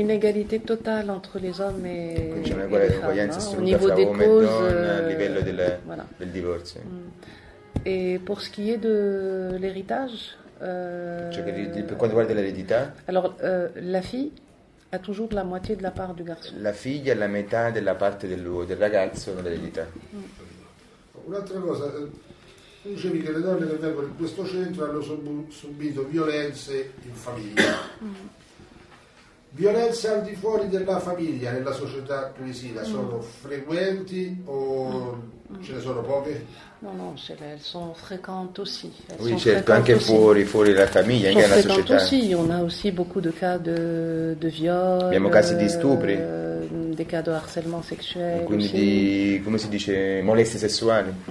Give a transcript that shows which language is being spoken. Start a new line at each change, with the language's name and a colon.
French: Une égalité totale entre les hommes et les femmes.
Italian: Quindi c'è una uguaglianza assoluta fra uomo e donna a livello del divorzio.
French: Et pour ce qui est de l'héritage.
Italian: Per quanto riguarda l'eredità.
French: Alors la fille. A toujours la moitié de la part du garçon.
Italian: La figlia ha la metà della parte del ragazzo nell'eredità. Un'altra cosa, tu dicevi che le donne che vengono in questo centro hanno subito violenze in famiglia. Violenze al di fuori della famiglia, nella società tunisina, sono frequenti o ce ne sono poche?
French: No, elles sont fréquentes aussi.
Italian: Oui, certo, anche fuori la famiglia, anche nella società.
French: Aussi. On a aussi beaucoup de cas de viol.
Italian: Abbiamo casi di stupri.
French: Des cas de harcèlement sexuel.
Italian: Quindi
French: aussi.
Italian: Di, come si dice, molestie sessuali.